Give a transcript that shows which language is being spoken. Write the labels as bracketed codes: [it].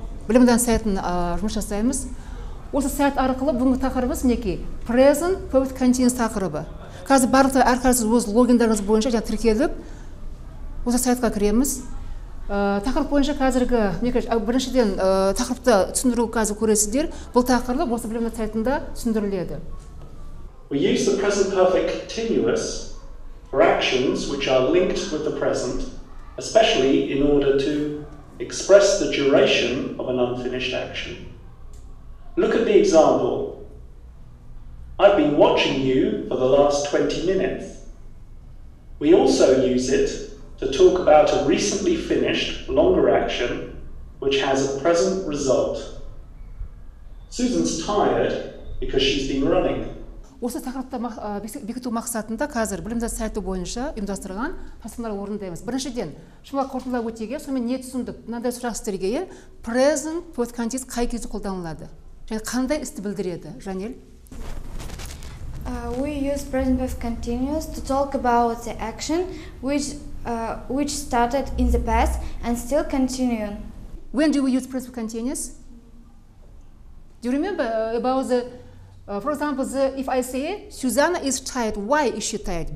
[kk] Білімлән сайтын жұмыс жасаймыз. Осы сайт арқылы бүгінгі тақырыбымыз мінекей present perfect continuous тақырыбы. Қазір барлықтар әрқайсыз өз логиндарыңыз бойынша жаңа тіркеліп осы сайтқа кіреміз. Тақырып бойынша қазіргі, біріншіден тақырыпты түсіндіру қазір көресіздер, бұл тақырып осы білімді сайтында түсіндіріледі. [en] We use the present perfect continuous for actions which are linked with the present, especially in order to express the duration of an unfinished action. Look at the example. I've been watching you for the last 20 minutes. We also use it to talk about a recently finished longer action which has a present result. Susan's tired because she's been running. [kk] Осы тақырыпты бекіту мақсатында қазір білімді сайты бойынша ұйымдастырған тапсырмалар орындаймыз. Біріншіден, шымыла қорытындылай өтеге, сонымен не түсіндік? Мынандай сұрақ сіздерге, present perfect continuous қай кезде қолданылады? Және қандай істі білдіреді? Жанел? [en] We use present perfect continuous to talk about the action which started in the past and still continuing. When do we use present perfect continuous? Do you remember about the, for example, the, if I say Susanna is tired, why is she tired?